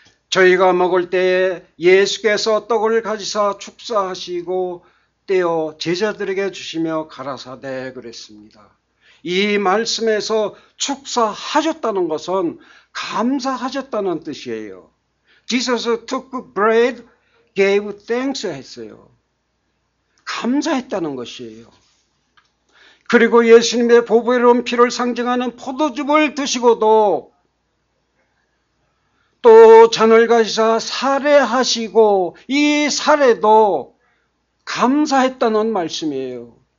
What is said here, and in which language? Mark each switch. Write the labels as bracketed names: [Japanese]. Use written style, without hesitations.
[Korean] 저희가 먹을 때에 예수께서 떡을 가지사 축사하시고 떼어 제자들에게 주시며 가라사대 그랬습니다. 이 말씀에서 축사하셨다는 것은 감사하셨다는 뜻이에요. [English] Jesus took bread, gave thanks [Korean] 했어요. 감사했다는 것이에요. 그리고 예수님의 보배로운 피를 상징하는 포도즙을 드시고도 또 잔을 가지사 사례하시고 이 사례도 감사했다는 말씀이에요.